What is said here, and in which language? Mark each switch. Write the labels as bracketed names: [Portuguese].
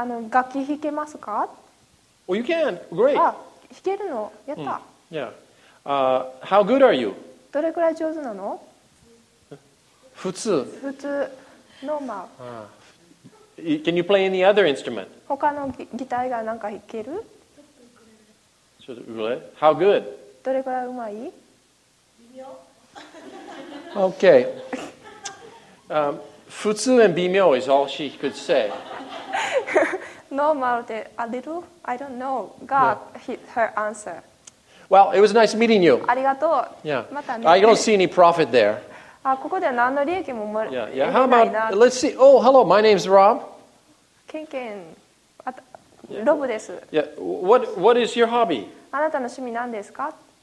[Japanese] 楽器弾けますか? [English] Well, you can. Great. [Japanese] 弾けるの?やった。 [English] Yeah. How good are you? [Japanese] どれくらい上手なの? 普通。普通。Normal. [English] Can you play any other instrument? [Japanese] 他のギター以外なんか弾ける? [English] ちょっと、How good? [Japanese] どれくらいうまい? 微妙。 [English] Okay. 普通 and 微妙 is all she could say. Normal, a little, I don't know, got her answer. Well, it was nice meeting you. [Japanese] ありがとう。 [English] Yeah. I don't see any profit there. [Japanese] ここでは何の利益も得ないな。 [English] Yeah. How about, let's see. Oh, hello, my name's Rob. [Japanese] ケンケン、ロブです。 [English] Yeah. What is your hobby? [Japanese] あなたの趣味何ですか?